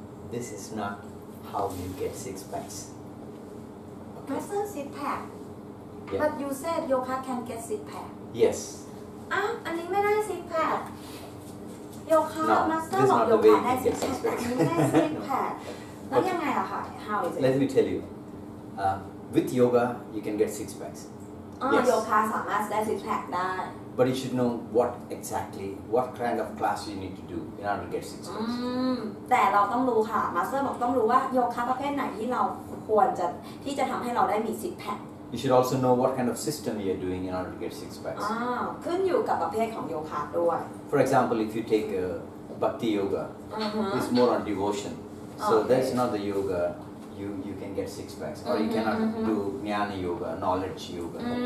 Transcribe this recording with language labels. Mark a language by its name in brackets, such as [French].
[English] This is not how you get six packs. Okay. Present six pack. Yeah. But you said yoga can get six pack. Yes. [Thai] อันนี้ไม่ได้ซิกแพ็ค yoga [English] no, [Thai] master บอกโยคะได้ซิกแพ็คแล้วยังไงอะค่ะ [English] how is it let me tell you with yoga you can get six packs [Thai] โยคะสามารถได้ซิกแพ็คได้ [English] but you should know what exactly what kind of class you need to do in order to get six packs [Thai] แต่เราต้องรู้ค่ะ master บอกต้องรู้ว่าโยคะประเภทไหนที่เราควรจะที่จะทำให้เราได้มีซิกแพ็ค [English] You should also know what kind of system you're doing in order to get six packs. [Thai] ขึ้นอยู่กับประเภทของโยคะด้วย. [English] For example, if you take a bhakti yoga, it's more on devotion. So that's not the yoga you can get six packs. Or you cannot do jnana yoga, knowledge yoga.